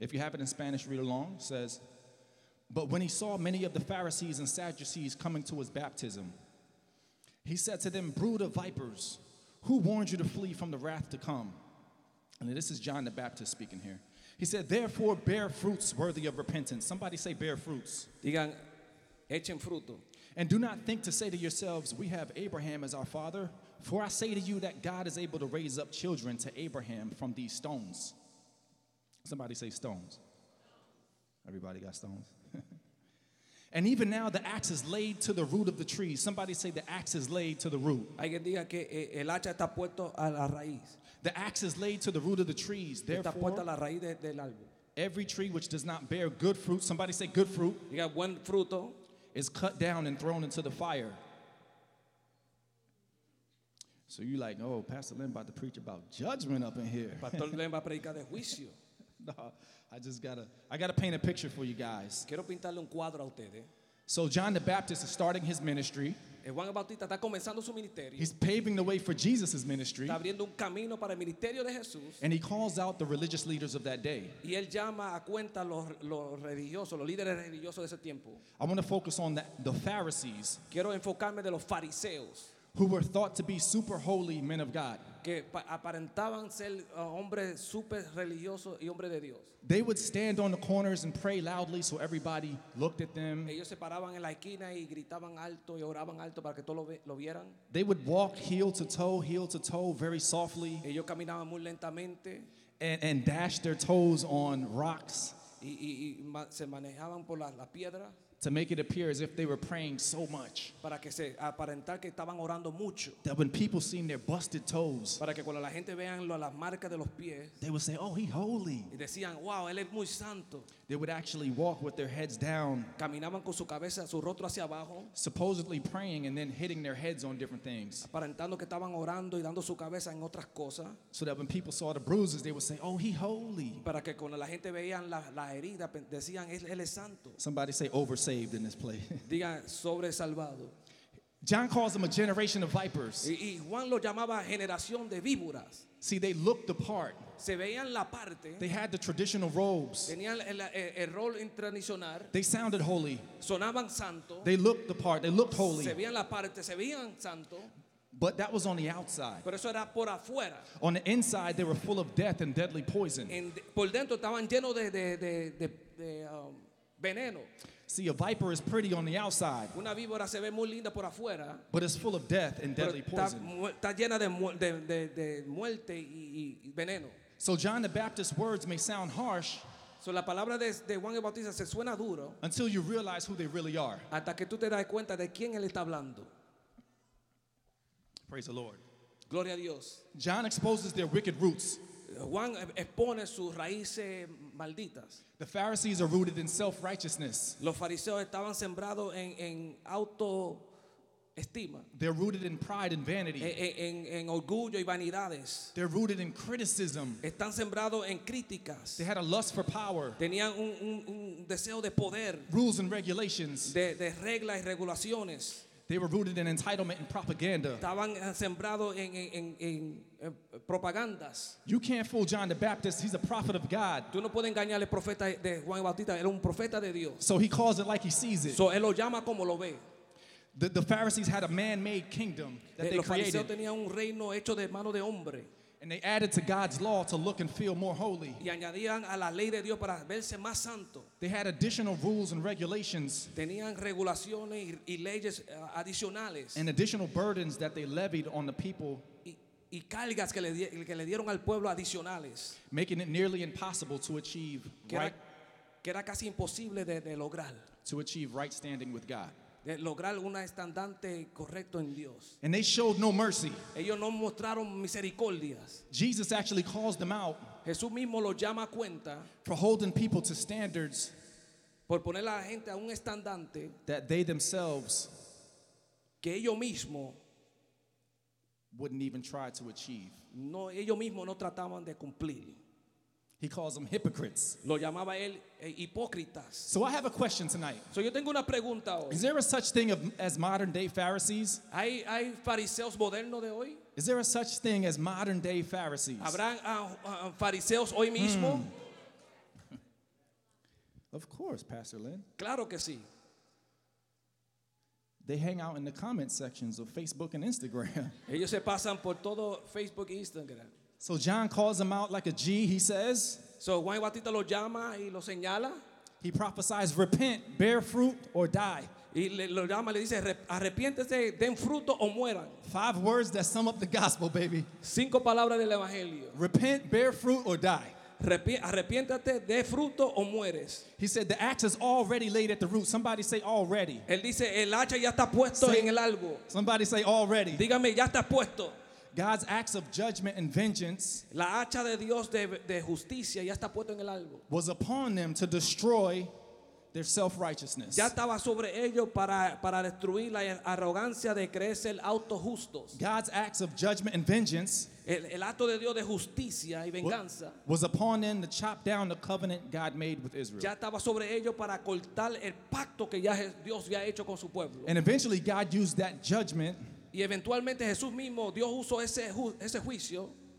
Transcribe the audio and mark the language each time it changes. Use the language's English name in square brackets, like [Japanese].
[English] If you have it in Spanish, read along. It says, but when he saw many of the Pharisees and Sadducees coming to his baptism, he said to them, brood of vipers, who warned you to flee from the wrath to come? And this is John the Baptist speaking here. He said, therefore bear fruits worthy of repentance. Somebody say bear fruits. [Spanish] Digan, echen fruto. [English] And do not think to say to yourselves, we have Abraham as our father. For I say to you that God is able to raise up children to Abraham from these stones. Somebody say stones. Everybody got stones. And even now the axe is laid to the root of the trees. Somebody say the axe is laid to the root. [Spanish] Alguien diga que el hacha está puesto a la raíz. [English] The axe is laid to the root of the trees. Therefore, [Spanish] está puesta a la raíz del árbol. [English] Every tree which does not bear good fruit. Somebody say good fruit. You got [Spanish] buen fruto. [English] Is cut down and thrown into the fire. So you like, oh, Pastor Len about to preach about judgment up in here. [Spanish] Pastor Len va a predicar de juicio. [English] No, I gotta paint a picture for you guys. [Spanish] Quiero pintarle un cuadro a ustedes. [English] So John the Baptist is starting his ministry. [Spanish] Juan Bautista está comenzando su ministerio. [English] He's paving the way for Jesus' ministry. [Spanish] Está abriendo un camino para el ministerio de Jesús. [English] And he calls out the religious leaders of that day. [Spanish] Y él llama a cuenta los religiosos, los líderes religiosos de ese tiempo. [English] I want to focus on the Pharisees. [Spanish] Quiero enfocarme de los fariseos. [English] Who were thought to be super holy men of God. [Spanish] Que aparentaban ser hombres super religiosos y hombres de Dios. [English] They would stand on the corners and pray loudly so everybody looked at them. [Spanish] Ellos se paraban en la esquina y gritaban alto y oraban alto para que todos lo vieran. [English] They would walk heel to toe, very softly. [Spanish] Ellos caminaban muy lentamente. [English] And dash their toes on rocks. [Spanish] Y se manejaban por la piedra. [English] To make it appear as if they were praying so much. [Spanish] Para que se aparentar que estaban orando mucho. [English] That when people seen their busted toes. [Spanish] Para que cuando la gente vean las marcas de los pies. [English] They would say, oh, he's holy. [Spanish] Y decían, wow, él es muy santo. [English] They would actually walk with their heads down. [Spanish] Caminaban con su cabeza, su rostro hacia abajo. [English] Supposedly praying and then hitting their heads on different things. [Spanish] Aparentando que estaban orando y dando su cabeza en otras cosas. [English] So that when people saw the bruises, they would say, oh, he's holy. [Spanish] Para que cuando la gente veían la herida, decían, él es santo. [English] Somebody say, oversaved. Saved in this place. [Spanish] Diga sobresalvado. [English] John calls them a generation of vipers. [Spanish] Y Juan lo llamaba generación de víboras. [English] See, they looked the part. [Spanish] Se veían la parte. [English] They had the traditional robes. [Spanish] Tenían el rol tradicional. [English] They sounded holy. [Spanish] Sonaban santo. [English] They looked the part. They looked holy. [Spanish] Se veían la parte. Se veían santo. [English] But that was on the outside. [Spanish] Pero eso era por afuera. [English] On the inside, they were full of death and deadly poison. [Spanish] Por dentro estaban llenos de veneno. [English] See, a viper is pretty on the outside. [Spanish] Una víbora se ve muy linda por afuera. [English] But it's full of death and deadly poison. [Spanish] Está llena de muerte y veneno. [English] So John the Baptist's words may sound harsh. [Spanish] So la palabra de Juan el Bautista se suena duro. [English] Until you realize who they really are. [Spanish] Hasta que tú te das cuenta de quién él está hablando. [English] Praise the Lord. [Spanish] Gloria a Dios. [English] John exposes their wicked roots. [Spanish] Juan expone sus raíces malditas. [English] The Pharisees are rooted in self-righteousness. [Spanish] Los fariseos estaban sembrados en autoestima. [English] They're rooted in pride and vanity. [Spanish] En orgullo y vanidades. [English] They're rooted in criticism. [Spanish] Están sembrados en críticas. [English] They had a lust for power. [Spanish] Tenían un deseo de poder. [English] Rules and regulations. [Spanish] De reglas y regulaciones. [English] They were rooted in entitlement and propaganda. [Spanish] Estaban sembrados en propagandas. [English] You can't fool John the Baptist. He's a prophet of God. [Spanish] Tú no puedes engañar al profeta de Juan Bautista. Él es un profeta de Dios. [English] So he calls it like he sees it. [Spanish] So él lo llama como lo ve. [English] The Pharisees had a man-made kingdom that they created. [Spanish] Los fariseos tenían un reino hecho de mano de hombre. [English] And they added to God's law to look and feel more holy. [Spanish] Y añadían a la ley de Dios para verse más santo. [English] They had additional rules and regulations. [Spanish] Tenían regulaciones y leyes adicionales. [English] And additional burdens that they levied on the people. [Spanish] Y cargas que le dieron al pueblo adicionales. [English] Making it nearly impossible to achieve right. [Spanish] Que era casi imposible de lograr. [English] To achieve right standing with God. [Spanish] De lograr un estandarte correcto en Dios. [English] And they showed no mercy. [Spanish] Ellos no mostraron misericordias. [English] Jesus actually calls them out. [Spanish] Jesús mismo los llama a cuenta. [English] For holding people to standards. [Spanish] Por poner a la gente a un estandarte. [English] That they themselves. [Spanish] Que ellos mismo. [English] Wouldn't even try to achieve. [Spanish] No, ellos mismo no trataban de cumplir. [English] He calls them hypocrites. [Spanish] Lo llamaba él hipócritas. [English] So I have a question tonight. [Spanish] So yo tengo una pregunta hoy. [English] Is there a such thing as modern day Pharisees? [Spanish] ¿Hay fariseos modernos de hoy? [English] Is there a such thing as modern day Pharisees? [Spanish] ¿Habrán fariseos hoy mismo? [English] Of course, Pastor Len. [Spanish] Claro que sí. [English] They hang out in the comment sections of Facebook and Instagram. [Spanish] Ellos se pasan por todo Facebook y Instagram. [English] So John calls them out like a G, he says. [Spanish] So Juan Bautista lo llama y lo señala. [English] He prophesies, repent, bear fruit, or die. [Spanish] Y lo llama, le dice, arrepiéntese, den fruto o mueran. [English] Five words that sum up the gospel, baby. [Spanish] Cinco palabras del evangelio. [English] Repent, bear fruit, or die. [Spanish] Arrepiéntate, dé fruto o mueres. [English] He said the axe is already laid at the root. Somebody say already. [Spanish] Él dice el hacha ya está puesto en el árbol. [English] Somebody say already. [Spanish] Dígame ya está puesto. [English] God's acts of judgment and vengeance. [Spanish] La hacha de Dios de justicia ya está puesto en el árbol. [English] Was upon them to destroy their self-righteousness. [Spanish] Ya estaba sobre ellos para destruir la arrogancia de creerse autojustos. [English] God's acts of judgment and vengeance. [Spanish] El acto de Dios de justicia y venganza. [English] Was upon them to chop down the covenant God made with Israel. [Spanish] Ya estaba sobre ellos para cortar el pacto que ya Dios había hecho con su pueblo. [English] And eventually God used that judgment. [Spanish] Y eventualmente Jesús mismo Dios usó ese juicio.